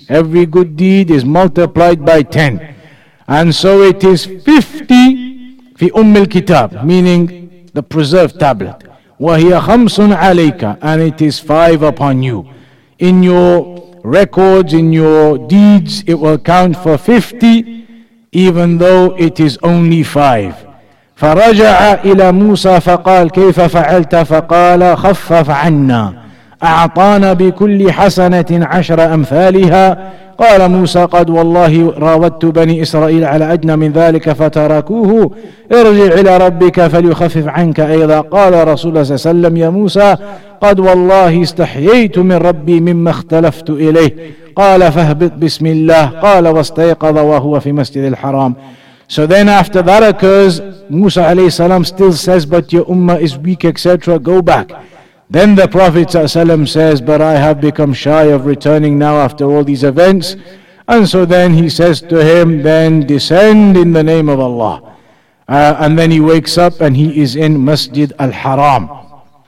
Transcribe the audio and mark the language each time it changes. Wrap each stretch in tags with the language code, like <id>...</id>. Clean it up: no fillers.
<en>Every good deed is multiplied by 10. And so it is 50</en> <ar>fi ummil kitab,</ar> <en>meaning the preserved tablet.</en> <ar>وَهِيَ خَمْسٌ عَلَيْكَ</ar> <en>And it is five upon you. In your records, in your deeds, it will count for 50, even though it is only five.</en> <ar>فَرَجَعَ إِلَى مُوسَى فَقَالَ كَيْفَ فَعَلْتَ فَقَالَ خَفَّفْ عَنَّا أَعْطَانَا بِكُلِّ حَسَنَةٍ عَشْرَ أَمْثَالِهَا قال موسى قد والله راودت بني إسرائيل على أدنى من ذلك فتركوه ارجع إلى ربك فليخفف عنك أيضا قال رسول الله صلى الله عليه وسلم يا موسى قد والله استحييت من ربي مما اختلفت إليه قال فاهبط بسم الله قال واستيقظ وهو في مسجد الحرام</ar> <en>So then after that occurs, Musa عليه السلام still says, but your ummah is weak, etc. Go back. Then the Prophet ﷺ says, but I have become shy of returning now after all these events. And so then he says to him, then descend in the name of Allah. And then he wakes up and he is in Masjid al-Haram.</en>